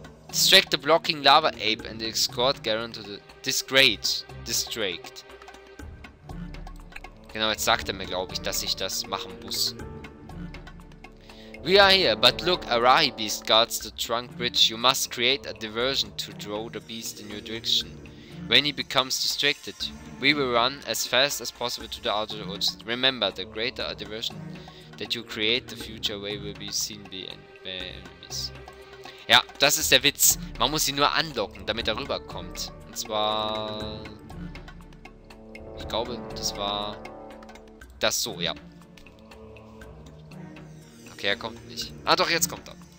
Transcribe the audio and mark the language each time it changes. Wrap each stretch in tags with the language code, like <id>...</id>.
<en>Distract the blocking lava ape and escort Geran to the district.</en> <de>Genau, jetzt sagt er mir, glaube ich, dass ich das machen muss.</de> <en>We are here, but look, a Rahi beast guards the trunk bridge. You must create a diversion to draw the beast in your direction. When he becomes distracted, we will run as fast as possible to the outer woods. Remember, the greater a diversion that you create, the future way will be seen by enemies.</en> <de>Ja, das ist der Witz. Man muss ihn nur anlocken, damit er rüberkommt. Und zwar... Ich glaube, das war... Das so, ja. Okay, er kommt nicht. Ah doch, jetzt kommt er.</de>